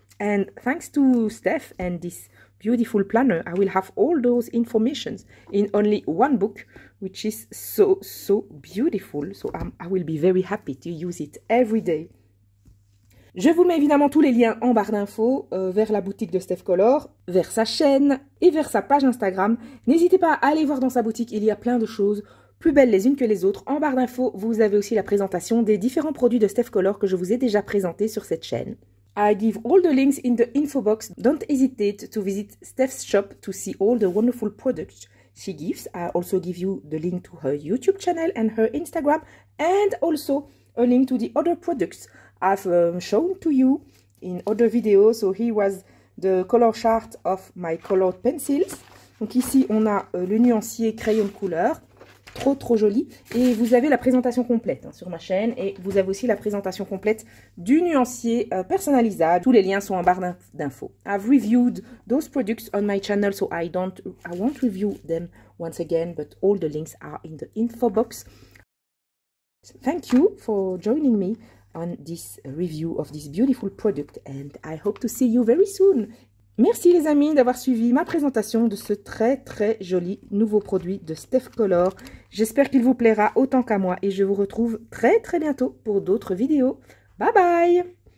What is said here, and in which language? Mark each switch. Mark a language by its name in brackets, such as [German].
[English] And thanks to Steph and this beautiful planner, I will have all those informations in only one book, which is so, so beautiful. So I will be very happy to use it every day. [French] Je vous mets évidemment tous les liens en barre d'infos vers la boutique de Steph Color, vers sa chaîne et vers sa page Instagram. N'hésitez pas à aller voir dans sa boutique, il y a plein de choses plus belles les unes que les autres. En barre d'infos, vous avez aussi la présentation des différents produits de Steph Color que je vous ai déjà présentés sur cette chaîne. [English] I give all the links in the info box. Don't hesitate to visit Steph's shop to see all the wonderful products she gives. I also give you the link to her YouTube channel and her Instagram, and also a link to the other products I've shown to you in other videos. So here was the color chart of my colored pencils. [French] Donc ici, on a le nuancier crayon de couleur. Trop, trop joli. Et vous avez la présentation complète sur ma chaîne. Et vous avez aussi la présentation complète du nuancier personnalisable. Tous les liens sont en barre d'infos. [English] I've reviewed those products on my channel, so I won't review them once again, but all the links are in the info box. Thank you for joining me on this review of this beautiful product, and I hope to see you very soon. [French] Merci les amis d'avoir suivi ma présentation de ce très très joli nouveau produit de Steph Color. J'espère qu'il vous plaira autant qu'à moi et je vous retrouve très très bientôt pour d'autres vidéos. Bye bye!